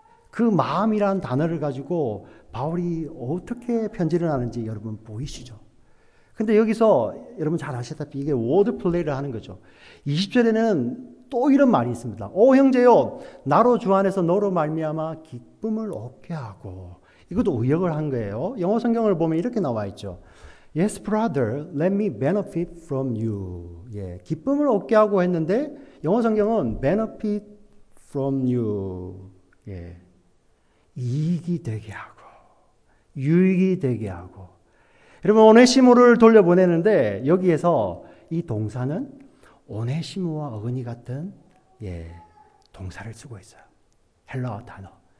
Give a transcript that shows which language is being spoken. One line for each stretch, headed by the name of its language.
Korean: 그 마음이란 단어를 가지고 바울이 어떻게 편지를 하는지 여러분 보이시죠? 근데 여기서 여러분 잘 아시다시피 이게 워드 플레이를 하는 거죠. 20절에는 또 이런 말이 있습니다. 오 형제여, 나로 주 안에서 너로 말미암아 기쁨을 얻게 하고. 이것도 의역을 한 거예요. 영어 성경을 보면 이렇게 나와 있죠.
English: Yes, brother, let me benefit from you.
Korean: 예, 기쁨을 얻게 하고 했는데 영어 성경은
English: benefit from you.
Korean: 예, 이익이 되게 하고 유익이 되게 하고. 여러분, 오네시모를 돌려보내는데 여기에서 이 동사는 오네시모와 어근이 같은, 예, 동사를 쓰고 있어요. 헬라어 단어.